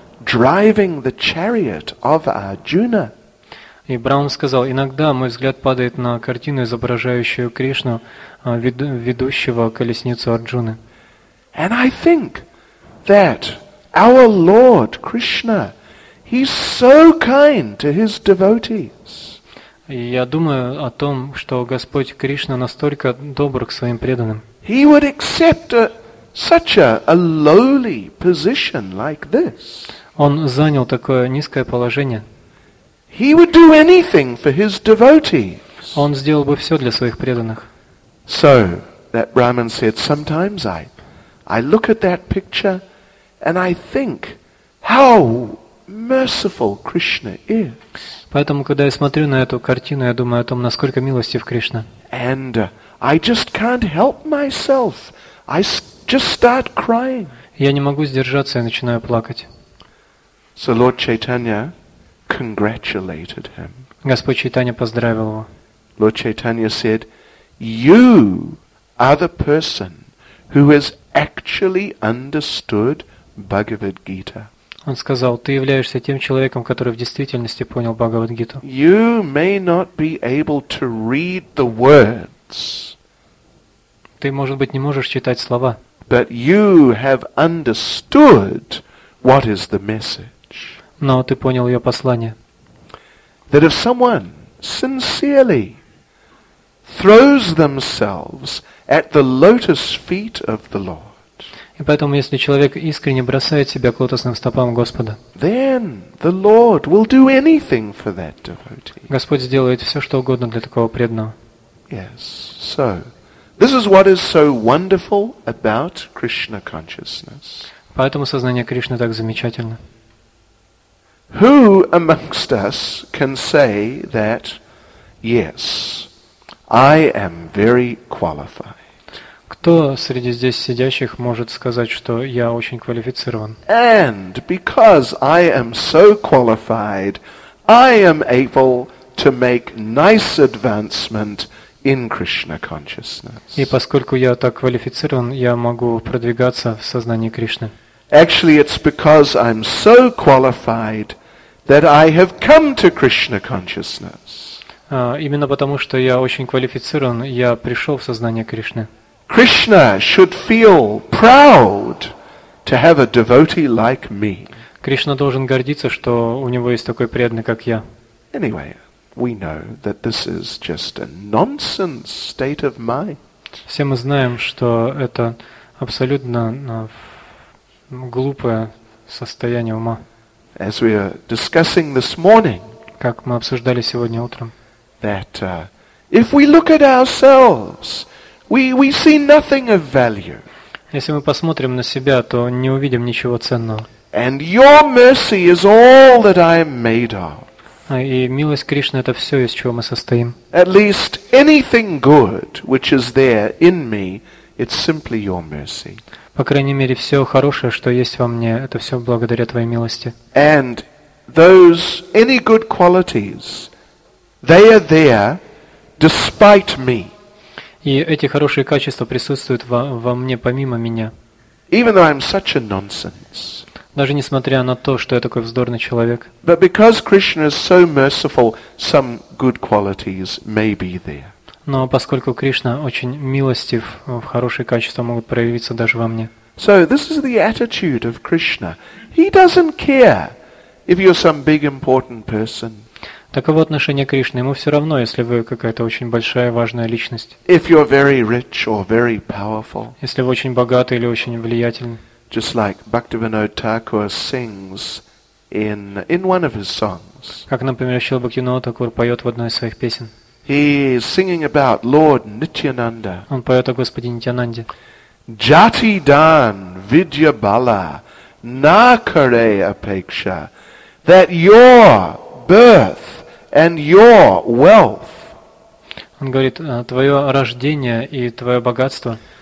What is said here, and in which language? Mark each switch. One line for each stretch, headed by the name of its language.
English: driving the chariot of Arjuna.
Russian: И Брахман сказал: иногда мой взгляд падает на картину, изображающую Кришну, ведущего колесницу Арджуны.
English: And I think that our Lord Krishna, He's so kind to His devotees.
Russian: Я думаю о том, что Господь Кришна настолько добр к своим преданным.
English: He would accept such a lowly position like this.
Russian: Он занял такое низкое положение.
English: He would do anything for his devotees.
Russian: Он сделал бы все для своих преданных.
English: So that Brahman said, sometimes I look at that picture and I think how merciful Krishna is.
Russian: Поэтому, когда я смотрю на эту картину, я думаю о том, насколько милостив Кришна.
English: And I just can't help myself. I just start crying.
Russian: Я не могу сдержаться, я начинаю плакать.
English: So Lord Chaitanya congratulated him.
Russian: Господь Чайтанья поздравил его.
English: Lord Chaitanya said, "You are the person who has actually understood Bhagavad Gita."
Russian: Он сказал: ты являешься тем человеком, который в действительности понял Бхагавад-гиту.
English: You may not be able to read the words.
Russian: Ты, может быть, не можешь читать слова.
English: But you have understood what is the message.
Russian: Но ты понял ее послание.
English: That if someone sincerely throws themselves at the lotus feet of the Lord,
Russian: и поэтому, если человек искренне бросает себя к лотосным стопам Господа,
English: then the Lord will do anything for that devotee.
Russian: Господь сделает все, что угодно для такого преданного.
English: Yes. So, this is what is so wonderful about Krishna consciousness.
Russian: Поэтому сознание Кришны так замечательно.
English: Who amongst us can say that, yes, I am very qualified?
Russian: Кто среди здесь сидящих может сказать, что я очень квалифицирован?
English: And because I am so qualified, I am able to make nice advancement in Krishna consciousness.
Russian: И поскольку я так квалифицирован, я могу продвигаться в сознании Кришны.
English: Actually, it's because I'm so qualified that I have come to Krishna consciousness.
Russian: Именно потому, что я очень квалифицирован, я пришел в сознание Кришны.
English: Krishna should feel proud to have a devotee like me.
Russian: Кришна должен гордиться, что у него есть такой преданный, как я.
English: Anyway, we know that this is just a nonsense state of mind.
Russian: Все мы знаем, что это абсолютно глупое состояние ума.
English: As we are discussing this morning,
Russian: как мы обсуждали сегодня утром,
English: that if we look at ourselves, We see nothing of value.
Russian: Если мы посмотрим на себя, то не увидим ничего ценного.
English: And your mercy is all that I am made of.
Russian: И милость Кришны — это все, из чего мы состоим.
English: At least anything good which is there in me, it's simply your mercy.
Russian: По крайней мере, все хорошее, что есть во мне, это все благодаря твоей милости.
English: And those any good qualities, they are there despite me.
Russian: И эти хорошие качества присутствуют во мне помимо меня.
English: Even though I'm such a nonsense.
Russian: Даже несмотря на то, что я такой вздорный человек.
English: But because Krishna is so merciful, some good qualities may be there.
Russian: Но поскольку Кришна очень милостив, хорошие качества могут проявиться даже во мне.
English: So this is the attitude of Krishna. He doesn't care if you're some big important person.
Russian: Таково отношение Кришны. Ему все равно, если вы какая-то очень большая, важная личность.
English: If you're very rich or very powerful.
Russian: Если вы очень богатый или очень влиятельный.
English: Just like Bhaktivinoda Thakur sings in one of his songs.
Russian: Как, например, Шрила Бхактивинода Тхакур поет в одной из своих песен.
English: He is singing about Lord Nityananda.
Russian: Он поет о Господе Нитянанде.
Bangla: Jati dan vidya bala na kare apeksha,
English: that your birth and your wealth.
Russian: Он говорит: твое рождение и твое богатство.